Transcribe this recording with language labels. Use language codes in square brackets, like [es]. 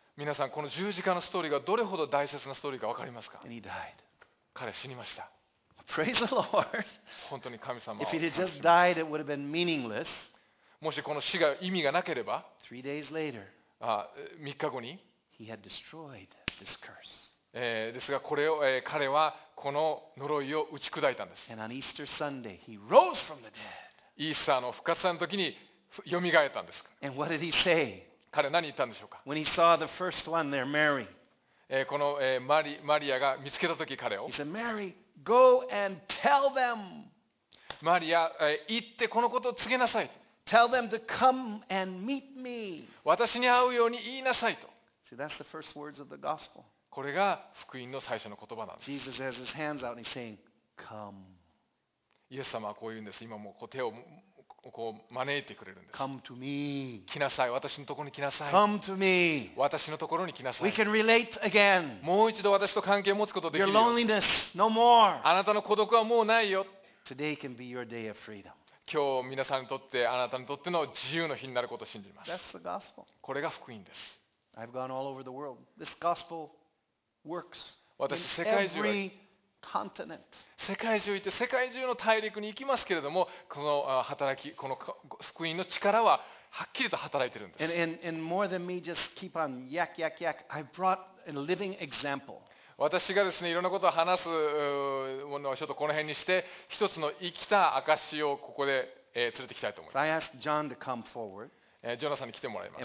[ja] 皆さん、この十字架のストーリーがどれほど大切なストーリーか分かりますか？ [en] And he died. [ja] 彼は死にました。 [en] Praise the Lord. If he had just died, it would have been meaningless. [ja] もしこの死が意味がなければ、 [en] 3 days later, [ja] 3日後に、 [en] He had destroyed this curse. [ja] ですがこれを、彼はこの呪いを打ち砕いたんです。 [en] And on Easter Sunday, he rose from the dead. [ja] イースターの復活祭の時に蘇ったんです。 [en] And what did he say? [ja] 彼は何言ったんでしょうか? [en] When he saw the first one there, Mary. [ja] この、マリアが見つけた時彼を。 [en] He said, Mary, go and tell them. [ja] マリア、行ってこのことを告げなさい。 [en] Tell them to come and meet me. [ja] 私に会うように言いなさいと。 [en] See, that's the first words of the gospel. [ja] これが福音の最初の言葉なんです。 [en] Jesus has his hands out and he's saying, Come. [ja] イエス様はこう言うんです。今もう手をこう招いてくれるんです。 [en] Come to me. [ja] 来なさい。私のところに来なさい。 [en] Come to me. [ja] 私のところに来なさい。 [en] We can relate again. [ja] もう一度私と関係を持つことができる [en] よ。Your loneliness, no more. [ja] あなたの孤独はもうないよ。 [en] Today can be your day of freedom. [ja] 今日皆さんにとって、あなたにとっての自由の日になることを信じます。 [en] That's the gospel. [ja] これが福音です。 [en] I've gone all over the world. This gospel. Works in every continent. [ja] 世界中行って世界中の大陸に行きますけれども、この働き、この福音の力ははっきりと働いてるんです。 [en] And more than me just keep on yak yak yak, I brought a living example. [ja] 私がですね、いろんなことを話すものをちょっとこの辺にして、一つの生きた証をここで連れてきたいと思います。 [en] So、I asked John to come forward. [ja] ジョナサンに来てもらいます。